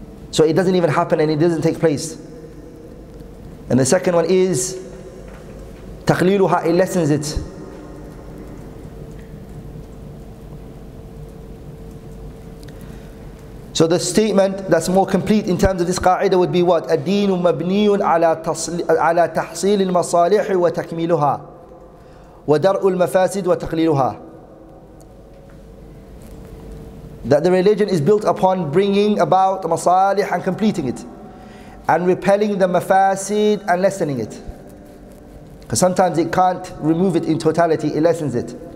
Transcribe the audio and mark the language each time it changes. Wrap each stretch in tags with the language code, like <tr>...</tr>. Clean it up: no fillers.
<en>So it doesn't even happen and it doesn't take place. And the second one is taqliluha, it lessens it. So the statement that's more complete in terms of this qa'ida would be what?</en> <ar>الدين مبني على تحصيل المصالح وتكميلها ودرء المفاسد وتقليلها.</ar> <en>That the religion is built upon bringing about masalih and completing it and repelling the mafasid and lessening it. Because sometimes it can't remove it in totality, it lessens it.</en>